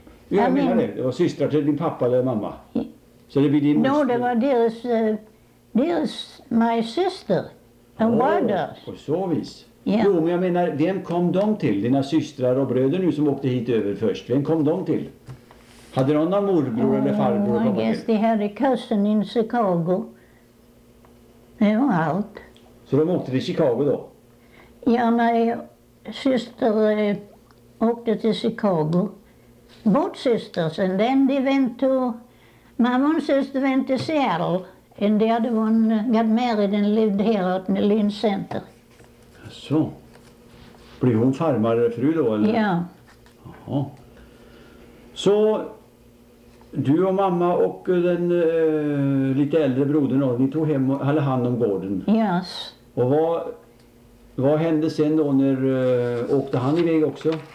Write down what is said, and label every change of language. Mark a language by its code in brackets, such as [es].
[sv] Ja, jag menar det. Det var syster till din pappa eller mamma. Så det blir din moster. Det var deras [en] my sister. [sv] På så vis. Yeah. Jo, men jag menar, vem kom de till? Dina systrar och bröder nu som åkte hit över först. Vem kom de till? Hade någon av morbror eller farbror kommit? [en] I guess they had a cousin in Chicago. [sv] Det var allt. Så de åkte till Chicago då? Ja, min syster åkte till Chicago. [en] Both sisters, and then they went to... My one sister went to Seattle. And the other one got married and lived here at the Lynn Center. [sv] Så. Blir hon farmare fru då eller? Ja. Jaha. Så... Du och mamma och den lite äldre brodern, ni tog hem och hade hand om gården. [en] Yes. [sv] Och vad hände sen då när åkte han iväg också?